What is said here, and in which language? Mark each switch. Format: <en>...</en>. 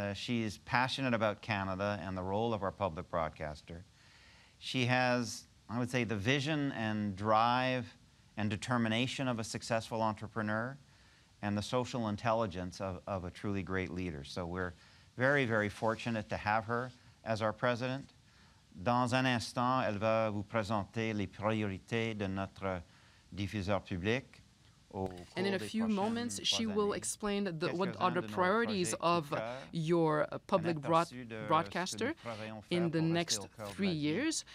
<en>She is passionate about Canada and the role of our public broadcaster. She has, I would say, the vision and drive and determination of a successful entrepreneur and the social intelligence of a truly great leader. So we're very, very fortunate to have her as our president.</en> <fr>Dans un instant, elle va vous présenter les priorités de notre diffuseur public.</fr> <en>And in a few moments, she will explain what are the priorities of your public broadcaster in the next 3 years.</en>